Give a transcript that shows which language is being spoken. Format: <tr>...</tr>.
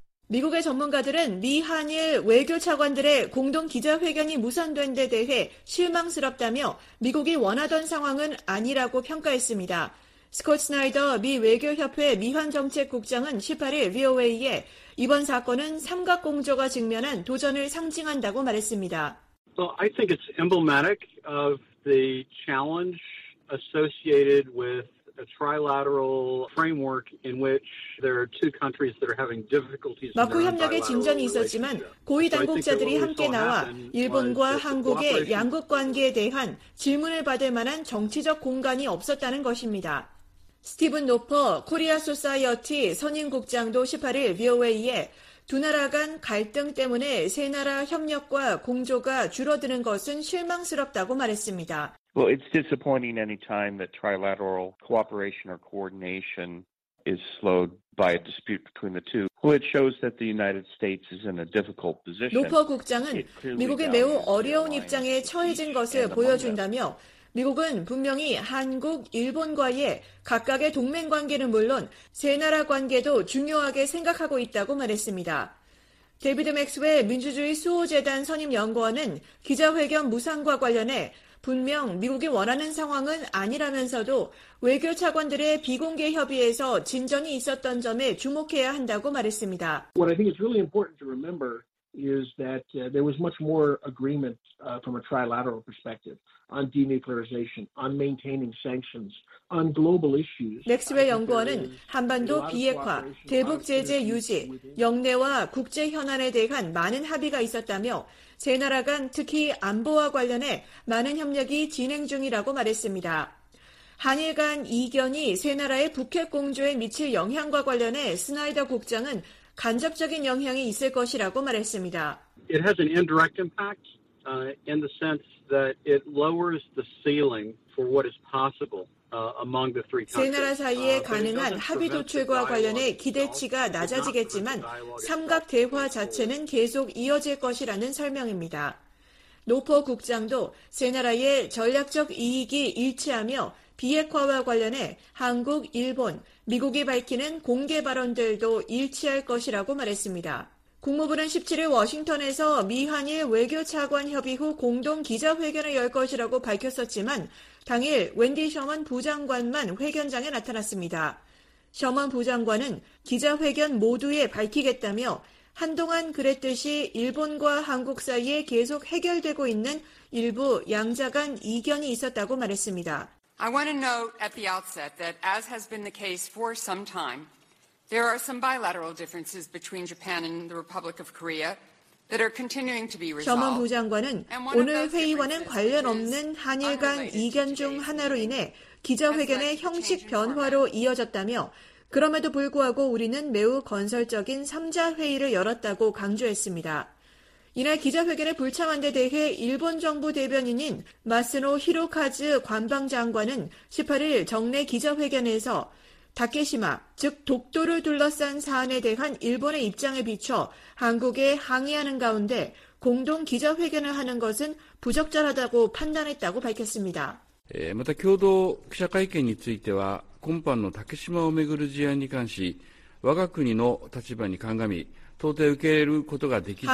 <ko>미국의 전문가들은 미한일 외교 차관들의 공동 기자회견이 무산된 데 대해 실망스럽다며 미국이 원하던 상황은 아니라고 평가했습니다. 스콧 스나이더 미 외교협회 미한정책국장은 18일 VOA에 이번 사건은 삼각공조가 직면한 도전을 상징한다고 말했습니다.</ko> <en>Well, I think it's emblematic of the challenge associated with a trilateral framework in which there are two countries that are having difficulties.</en> <ko>마쿠 협력의 진전이 있었지만 고위 당국자들이 함께 나와 일본과 한국의 양국 관계에 대한 질문을 받을 만한 정치적 공간이 없었다는 것입니다. 스티븐 노퍼 코리아 소사이어티 선임 국장도 18일 VOA에 두 나라 간 갈등 때문에 세 나라 협력과 공조가 줄어드는 것은 실망스럽다고 말했습니다.</ko> <en>Well, it's disappointing any time that trilateral cooperation or coordination is slowed by a dispute between the two, which shows that the United States is in a difficult position.</en> <ko>노퍼 국장은 미국이 매우 어려운 입장에 처해진 것을 보여준다며 미국은 분명히 한국, 일본과의 각각의 동맹 관계는 물론 세 나라 관계도 중요하게 생각하고 있다고 말했습니다. 데이비드 맥스웰 민주주의 수호재단 선임 연구원은 기자회견 무상과 관련해 분명 미국이 원하는 상황은 아니라면서도 외교 차관들의 비공개 협의에서 진전이 있었던 점에 주목해야 한다고 말했습니다.</ko> <en>What I think is really important to remember is that there was much more agreement from a trilateral perspective on denuclearization, on maintaining sanctions, on global issues.</en> <ko>맥스웰 연구원은 한반도 비핵화, 대북 제재 유지, 영내와 국제 현안에 대한 많은 합의가 있었다며 세 나라 간 특히 안보와 관련해 많은 협력이 진행 중이라고 말했습니다. 한일 간 이견이 세 나라의 북핵 공조에 미칠 영향과 관련해 스나이더 국장은 간접적인 영향이 있을 것이라고 말했습니다.</ko> <en>It has an indirect impact in the sense that it lowers the ceiling for what is possible among the three countries.</en> <ko>세 나라 사이에 가능한 합의 도출과 관련해 기대치가 낮아지겠지만 삼각 대화 자체는 계속 이어질 것이라는 설명입니다. 노퍼 국장도 세 나라의 전략적 이익이 일치하며 비핵화와 관련해 한국, 일본, 미국이 밝히는 공개 발언들도 일치할 것이라고 말했습니다. 국무부는 17일 워싱턴에서 미한일 외교 차관 협의 후 공동 기자회견을 열 것이라고 밝혔었지만 당일 웬디 셔먼 부장관만 회견장에 나타났습니다. 셔먼 부장관은 기자회견 모두에 밝히겠다며 한동안 그랬듯이 일본과 한국 사이에 계속 해결되고 있는 일부 양자 간 이견이 있었다고 말했습니다.</ko> <en>I want to note at the outset that as has been the case for some time, there are some bilateral differences between Japan and the Republic of Korea that are continuing to be resolved.</en> <ko>셔먼 부장관은 오늘 회의와는 관련 없는 한일 간 이견 중 하나로 인해 기자회견의 형식 변화로 이어졌다며 그럼에도 불구하고 우리는 매우 건설적인 3자 회의를 열었다고 강조했습니다. 이날 기자회견에 불참한 데 대해 일본 정부 대변인인 마스노 히로카즈 관방장관은 18일 정례 기자회견에서 다케시마, 즉 독도를 둘러싼 사안에 대한 일본의 입장에 비춰 한국에 항의하는 가운데 공동 기자회견을 하는 것은 부적절하다고 판단했다고 밝혔습니다.</ko> <ja>また共同記者会見については、今般の竹島をめぐる事案に関し、我が国の立場に鑑み、到底受け入れることができず、</ja>